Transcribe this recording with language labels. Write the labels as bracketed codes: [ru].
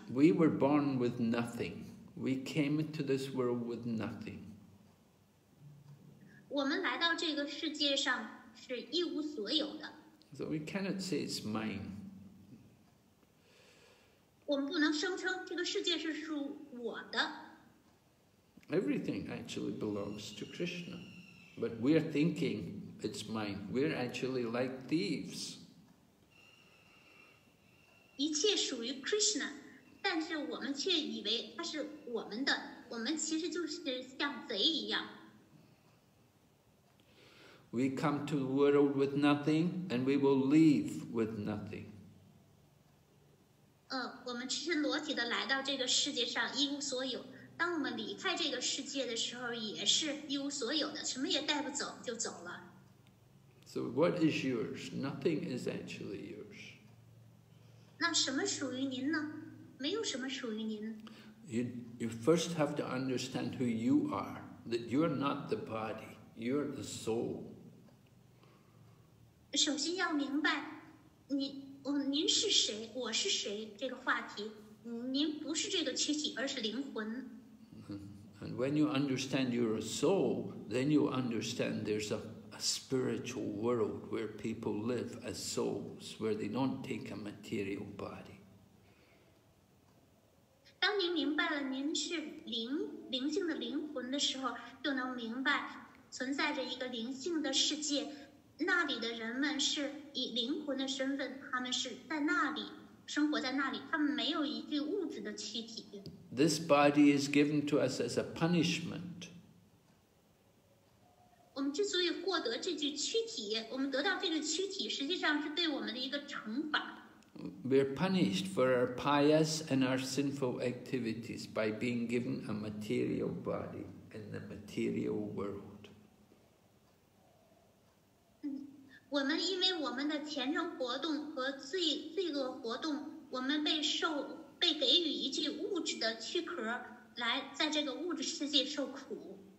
[en] We were born with nothing. We came into this world with nothing. [zh] 我们来到这个世界上是一无所有的。 [en] So we cannot say it's mine. [zh] 我们不能声称这个世界是属我的。 [en] Everything actually belongs to Krishna, but we're thinking it's mine. We're actually like thieves. [zh] 一切属于 Krishna, 但是我们却以为它是我们的。我们其实就是像贼一样。 [en] We come to the world with nothing, and we will leave with nothing. [zh] 我们赤身裸体的来到这个世界上一无所有，当我们离开这个世界的时候也是一无所有的，什么也带不走就走了。 [en] So what is yours? Nothing is actually yours. [zh] 那什么属于您呢？没有什么属于您。 [en] You first have to understand who you are, that you're not the body, you're the soul. [zh] 首先要明白你您是谁？我是谁？这个话题，您不是这个躯体，而是灵魂。 [en] And when you understand you're a soul, then you understand there's a spiritual world where people live as souls, where they don't take a material body. [zh] 当您明白了您是灵性的灵魂的时候，就能明白存在着一个灵性的世界。那里的人们是以灵魂的身份，他们是在那里生活在那里，他们没有一具物质的躯体。 [en] This body is given to us as a punishment. [zh] 我们之所以获得这具躯体，我们得到这个躯体，实际上是对我们的一个惩罚。 [en] We're punished for our pious and our sinful activities by being given a material body in the material world. [zh] 我们因为我们的前生活动和罪恶活动，我们被给予一具物质的躯壳，来在这个物质世界受苦。